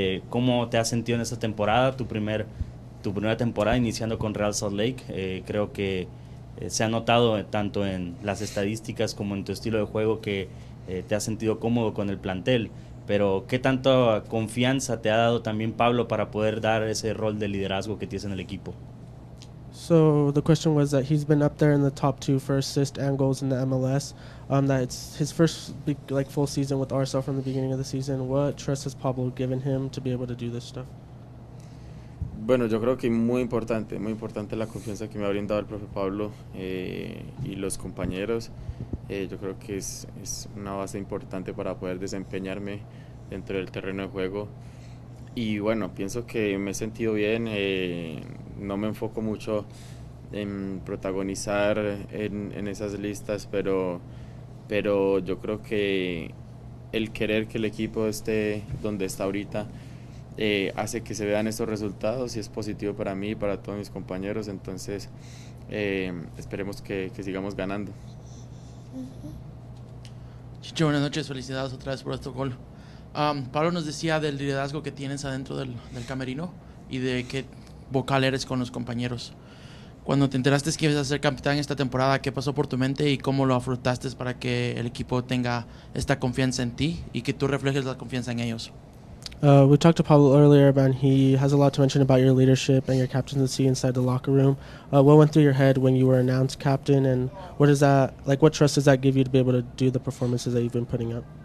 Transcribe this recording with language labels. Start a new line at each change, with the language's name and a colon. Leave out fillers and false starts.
Spanish: ¿Cómo te has sentido en esta temporada, tu primera temporada iniciando con Real Salt Lake? Creo que se ha notado tanto en las estadísticas como en tu estilo de juego que te has sentido cómodo con el plantel. Pero ¿qué tanta confianza te ha dado también Pablo para poder dar ese rol de liderazgo que tienes en el equipo?
English: So the question was that he's been up there in the top two for assist and goals in the MLS. That it's his first big, like full season with RSL from the beginning of the season. What trust has Pablo given him to be able to do this stuff?
Spanish: Bueno, yo creo que muy importante la confianza que me ha brindado el profe Pablo y los compañeros. Yo creo que es una base importante para poder desempeñarme dentro del terreno de juego. Y bueno, pienso que me he sentido bien. No me enfoco mucho en protagonizar en esas listas, pero yo creo que el querer que el equipo esté donde está ahorita hace que se vean estos resultados y es positivo para mí y para todos mis compañeros. Entonces, esperemos que sigamos ganando. Chicho, buenas noches, felicidades otra vez por este gol. Pablo nos decía del liderazgo que tienes adentro del camerino y de qué vocal eres con los compañeros. Cuando te enteraste que ibas a ser capitán esta temporada, ¿qué pasó por tu mente y cómo lo afrontaste para que el equipo tenga esta confianza en ti y que tú reflejes la confianza en ellos?
English: We talked to Pablo earlier, and he has a lot to mention about your leadership and your captaincy inside the locker room. What went through your head when you were announced captain, and what is that like? What trust does that give you to be able to do the performances that you've been putting up?